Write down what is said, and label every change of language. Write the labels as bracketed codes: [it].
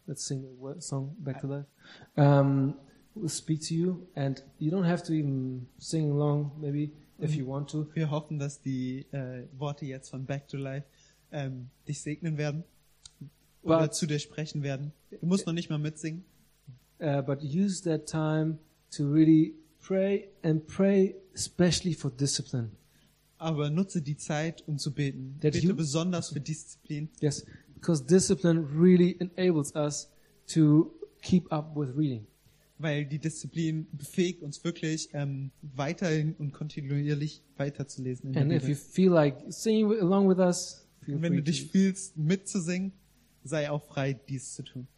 [en] Let's sing the song Back to Life. We'll speak to you, and you don't have to even sing along, maybe if you want to. [de] Wir hoffen, dass die Worte jetzt von Back to Life dich segnen werden oder zu dir sprechen werden. Du musst noch nicht mal mitsingen. [en] But use that time to really pray and pray especially for discipline. [de] Aber nutze die Zeit, um zu beten. Bitte besonders für Disziplin. [en] Yes, because discipline really enables us to keep up with reading. [de] Weil die Disziplin befähigt uns wirklich, weiterhin und kontinuierlich weiterzulesen. [en] In and if you feel like singing along with us, [de] wenn du dich fühlst, mitzusingen, sei auch frei, dies zu tun.